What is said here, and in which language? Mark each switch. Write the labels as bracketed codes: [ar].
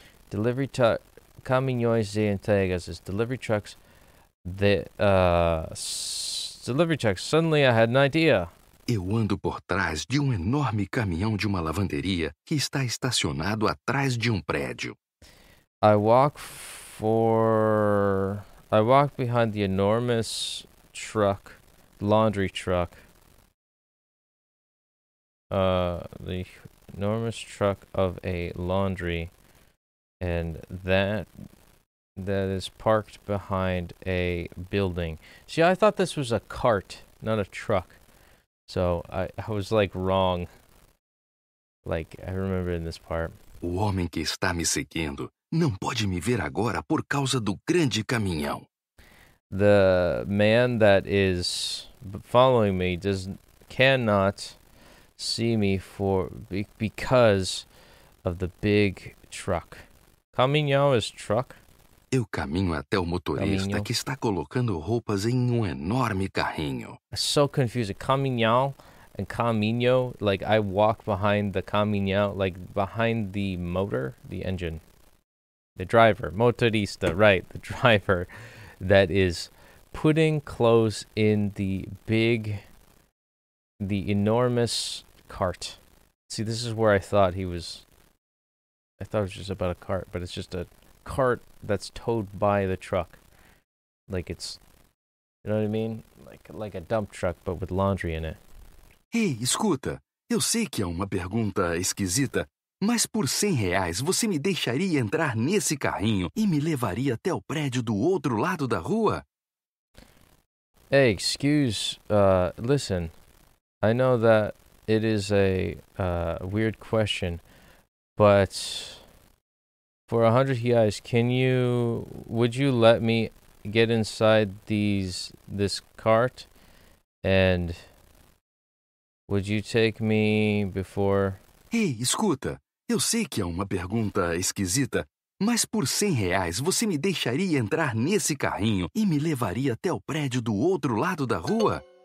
[en] Delivery truck, [pt] caminhões de entregas [en] is delivery trucks. Delivery trucks. Suddenly I had an idea. [pt] Eu ando por trás de um enorme caminhão de uma lavanderia que está estacionado atrás de um prédio. [en] I walk behind the enormous truck, laundry truck. The enormous truck of a laundry, and that is parked behind a building. See, I thought this was a cart, not a truck. So I was like wrong. Like, I remember in this part. [pt] O homem que está me seguindo não pode me ver agora por causa do grande caminhão. [en] The man that is following me cannot see me because of the big truck. Caminhão is truck. [pt] Eu caminho até o motorista caminho. Que está colocando roupas em um enorme carrinho. [en] I'm so confused. Caminhão and caminho, like I walk behind the caminhão, like behind the motor, the engine. The driver, motorista, right, the driver that is putting clothes in the enormous cart. See, this is where I thought it was just about a cart, but it's just a cart that's towed by the truck. Like it's, you know what I mean? Like a dump truck, but with laundry in it. [pt] Hey, escuta, eu sei que é uma pergunta esquisita, mas por 100 reais você me deixaria entrar nesse carrinho e me levaria até o prédio do outro lado da rua? [en] Hey, excuse, listen, I know that it is a weird question, but for 100 reais, would you let me get inside this cart, and would you take me before? [pt] Hey, escuta, eu sei que é uma pergunta esquisita, mas por 100 reais você me deixaria entrar nesse carrinho e me levaria até o prédio do outro lado da rua?